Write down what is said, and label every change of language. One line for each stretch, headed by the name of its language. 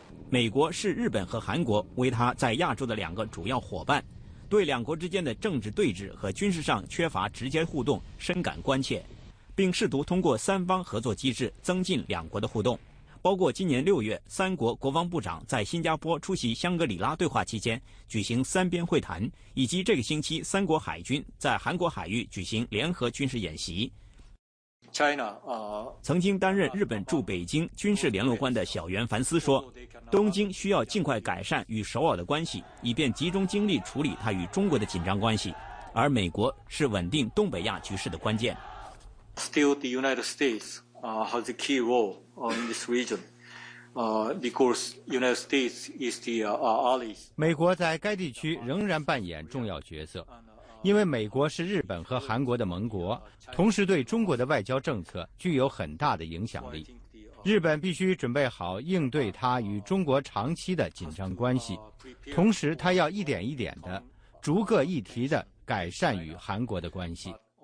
Chinese: 美国视日本和韩国为他在亚洲的两个主要伙伴，对两国之间的政治对峙和军事上缺乏直接互动深感关切，并试图通过三方合作机制增进两国的互动，包括今年6月三国国防部长在新加坡出席香格里拉对话期间举行三边会谈，以及这个星期三国海军在韩国海域举行联合军事演习。
English: China,
Chinese: 曾经担任日本驻北京军事联络官的小渊凡司说，东京需要尽快改善与首尔的关系，以便集中精力处理它与中国的紧张关系，而美国是稳定东北亚局势的关键。
English: Still, the United States has a key role in this region, because United States is the allies.
Chinese: 美国在该地区仍然扮演重要角色，因为美国是日本和韩国的盟国，同时对中国的外交政策具有很大的影响力。日本必须准备好应对它与中国长期的紧张关系，同时它要一点一点的、逐个议题的改善与韩国的关系。